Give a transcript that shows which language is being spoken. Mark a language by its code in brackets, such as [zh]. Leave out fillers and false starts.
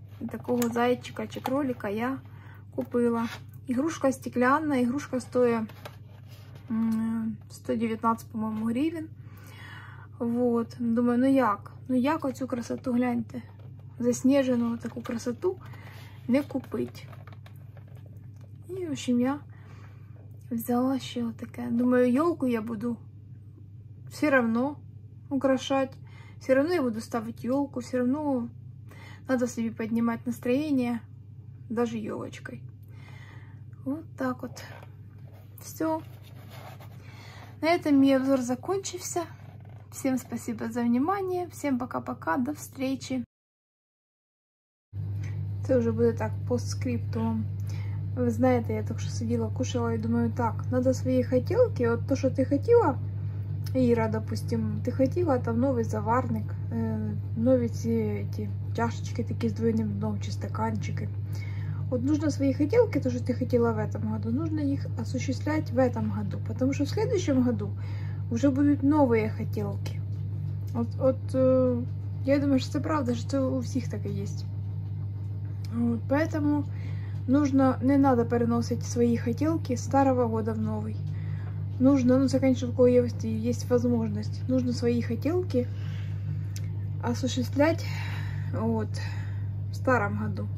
[uk] Такого зайчика чи кроліка я купила. Ігрушка стеклянна, ігрушка стоїть 119, по-моєму, гривень. От. Думаю, ну як? Ну як оцю красоту, гляньте, засніжену таку красоту не купити. І, в общем, я взяла ще таке. Думаю, ёлку я буду все равно украшати. Все равно я буду ставити ёлку, все равно треба собі піднімати настроєння, навіть ёлочкою. От так от. Все. На этом мій обзор закончився. [ru] Всім спасибо за внимание. Всім пока-пока. До встречи. [uk] Це вже буде так постскриптум. Ви знаєте, я так що сиділа, кушала і думаю, так, треба свої хотілки, от то, що ти хотіла, Іра, допустим, ти хотіла там новий заварник, нові ці чашечки такі з двойним дном чи стаканчики. От нужно свої хотілки, то, що ти хотіла [ru] в этом году, [uk] нужно їх осуществлять в этом году, потому що в следующем году вже будуть нові хотілки. От, я думаю, що це правда, що це у всіх так і є. [ru] От, поэтому нужно, не надо переносить свои хотелки старого года в новый. Нужно, ну, это, конечно, у кого есть возможность. Нужно свои хотелки осуществлять, вот, в старом году.